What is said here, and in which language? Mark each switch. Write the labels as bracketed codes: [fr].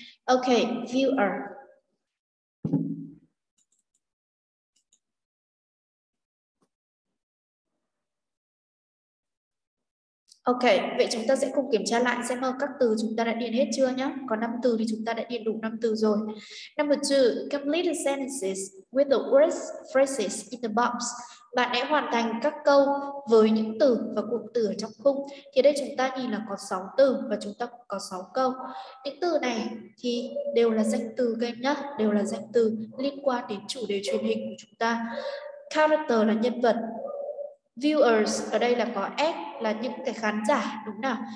[en] Okay, viewer. [vi] Ok, vậy chúng ta sẽ cùng kiểm tra lại xem các từ chúng ta đã điền hết chưa nhé. Có 5 từ thì chúng ta đã điền đủ 5 từ rồi. [en] Number 2, complete the sentences with the words, phrases in the box. [vi] Bạn hãy hoàn thành các câu với những từ và cụm từ ở trong khung. Thì đây chúng ta nhìn là có 6 từ và chúng ta có 6 câu. Những từ này thì đều là danh từ các em nhé. Đều là danh từ liên quan đến chủ đề truyền hình của chúng ta. Character là nhân vật. Viewers ở đây là có S là những cái khán giả, đúng nào?